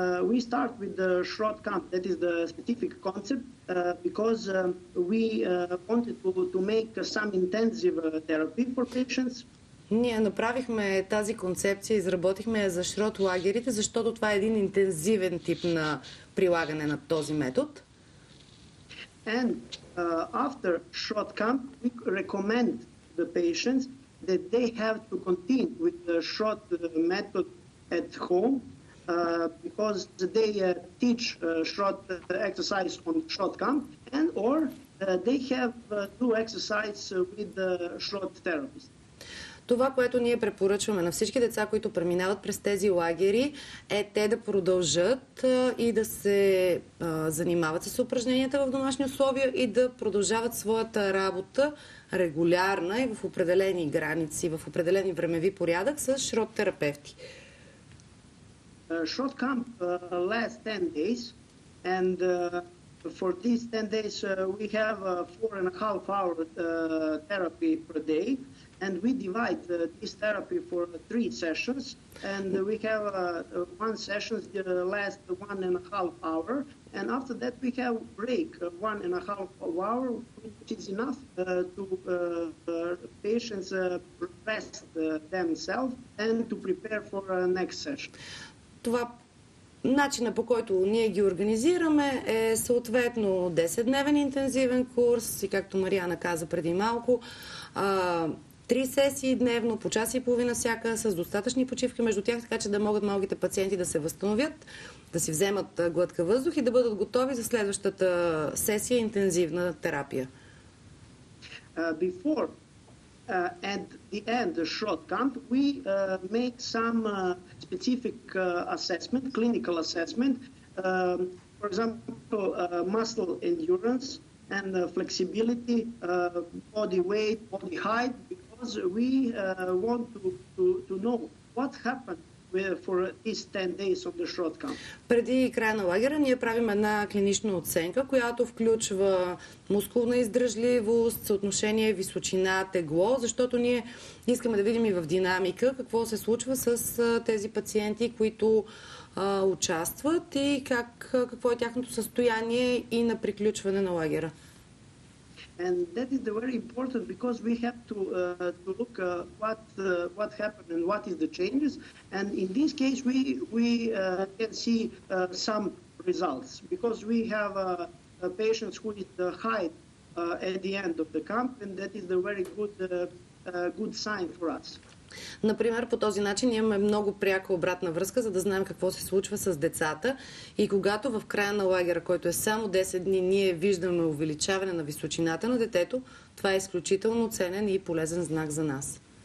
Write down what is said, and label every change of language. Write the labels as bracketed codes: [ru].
[en] We start with the Shrot camp, that is the specific concept, because we wanted to make some intensive therapy for patients. [bg] Ние направихме тази концепция, изработихме за Шрот лагерите, защото това е един интензивен тип на прилагане на този метод. [en] And after Shrot camp, we recommend the patients that they have to continue with the Shrot method at home, because they teach Shrot exercise on Shrot camp, and or they have to exercise with the Shrot therapist. [bg] Това, което ние препоръчваме на всички деца, които преминават през тези лагери, е те да продължат и да се занимават с упражненията в домашни условия и да продължават своята работа регулярна и в определени граници, в определени времеви порядък с Шрот терапевти. [en] short camp last 10 days, and for these 10 days we have 4.5 hour therapy per day, and we divide this therapy for 3 sessions, and we have one session last 1.5 hour, and after that we have break 1.5 hour, which is enough to patients rest themselves and to prepare for next session. [bg] Това начина, по който ние ги организираме, е съответно 10-дневен интензивен курс и, както Мариана каза преди малко, 3 сесии дневно, по час и половина всяка, с достатъчни почивки между тях, така че да могат малките пациенти да се възстановят, да си вземат глътка въздух и да бъдат готови за следващата сесия интензивна терапия. [en] Before at the end the short camp, we make some specific assessment, clinical assessment, for example, muscle endurance and flexibility, body weight, body height, because we want to know what happened for these 10 days of the short camp. [bg] Преди края на лагера ние правим една клинична оценка, която включва мускулна издръжливост, съотношение височина, тегло, защото ние искаме да видим и в динамика какво се случва с тези пациенти, които участват, и какво е тяхното състояние и на приключване на лагера. [en] And that is the very important, because we have to look what happened and what is the changes. And in this case, we can see some results, because we have a patients who is the height at the end of the camp, and that is the very good sign for us. [bg] Например, по този начин имаме много пряка обратна връзка, за да знаем какво се случва с децата. И когато в края на лагера, който е само 10 дни, ние виждаме увеличаване на височината на детето, това е изключително ценен и полезен знак за нас.